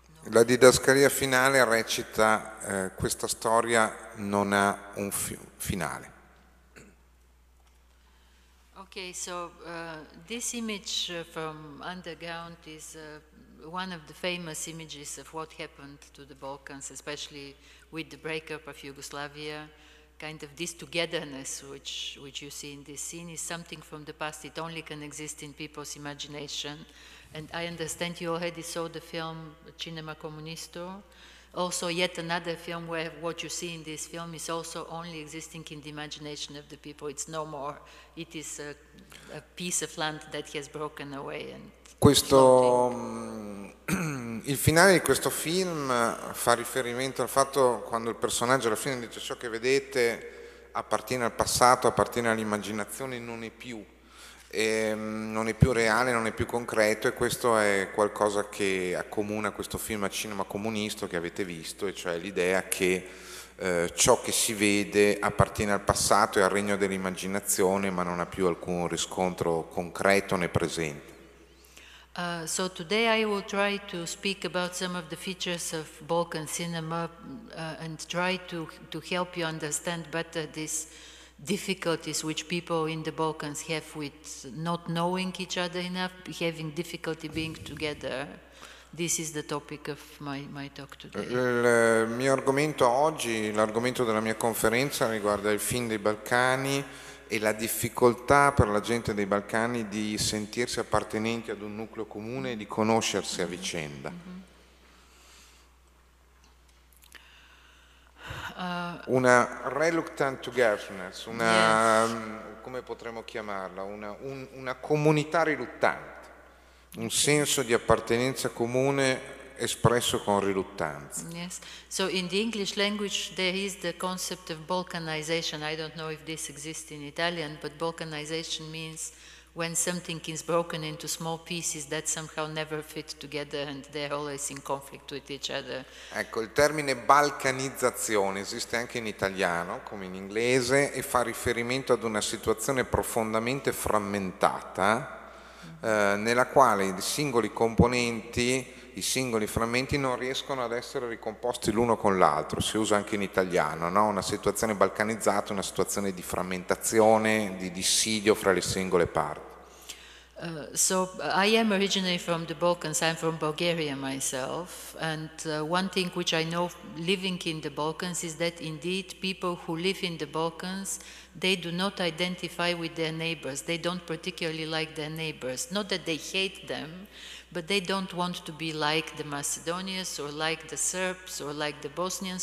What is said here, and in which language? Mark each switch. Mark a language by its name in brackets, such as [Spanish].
[Italian] La didascalia finale recita: questa storia non ha un finale. [English] Okay, so this image from underground is one of the famous images of what happened to the Balkans, especially with the breakup of Yugoslavia. Kind of this togetherness which you see in this scene is something from the past. It only can exist in people's imagination. And I understand you already saw the film Cinema Comunisto, also yet another film where what you see in this film is also only existing in the imagination of the people. It's no more. It is a piece of land that has broken away. And [Italian] questo il finale di questo film fa riferimento al fatto quando il personaggio alla fine dice: ciò che vedete appartiene al passato, appartiene all'immaginazione, non è più. E non è più reale, non è più concreto, e questo è qualcosa che accomuna questo film a Cinema Comunisto che avete visto, e cioè l'idea che ciò che si vede appartiene al passato e al regno dell'immaginazione, ma non ha più alcun riscontro concreto né presente. [English] So today I will try to speak about some of the features of Balkan cinema and try to help you understand better this difficulties which people in the Balkans have with not knowing each other enough, having difficulty being together. This is the topic of my talk today. [Italian] Il mio argomento oggi, l'argomento della mia conferenza, riguarda il film dei Balcani e la difficoltà per la gente dei Balcani di sentirsi appartenenti ad un nucleo comune e di conoscersi a vicenda. Una [English] reluctant togetherness, [Italian] una, [English] yes, [Italian] come potremmo chiamarla, una comunità riluttante, un senso di appartenenza comune espresso con riluttanza. [English] Yes, so in the English language there is the concept of balkanization. I don't know if this exists in Italian, but balkanization means when something is broken into small pieces that somehow never fit together and they're always in conflict with each other. [Italian] Ecco, il termine balcanizzazione esiste anche in italiano, come in inglese, e fa riferimento ad una situazione profondamente frammentata, nella quale i singoli componenti, i singoli frammenti non riescono ad essere ricomposti l'uno con l'altro. Si usa anche in italiano, no? Una situazione balcanizzata, una situazione di frammentazione, di dissidio fra le singole parti. [English] So I am originally from the Balkans. I'm from Bulgaria myself, and one thing which I know living in the Balkans is that indeed people who live in the Balkans, they do not identify with their neighbors. They don't particularly like their neighbors. Not that they hate them, but they don't want to be like the Macedonians or like the Serbs or like the Bosnians.